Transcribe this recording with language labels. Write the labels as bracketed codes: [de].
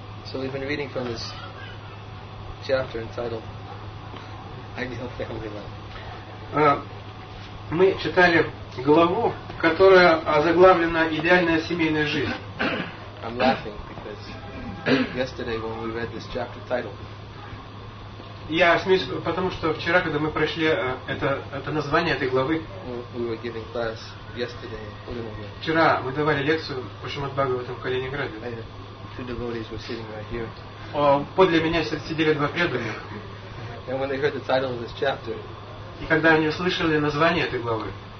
[en] So we've been reading from this chapter entitled Ideal Family Life. [ru] Мы читали главу, которая озаглавлена «Идеальная семейная жизнь». [en] I'm laughing because yesterday when we read this chapter title. [ru] Я смеюсь, потому что вчера, когда мы прошли это название этой главы, [en] we were giving class yesterday in Калининграде. [ru] Вчера мы давали лекцию по Шримад-Бхагаватам в Калининграде. [en] Two devotees were sitting right here. [ru] Подле меня сидели два преданных. [en] And when they heard the title of this chapter, [ru] и когда они услышали название этой главы,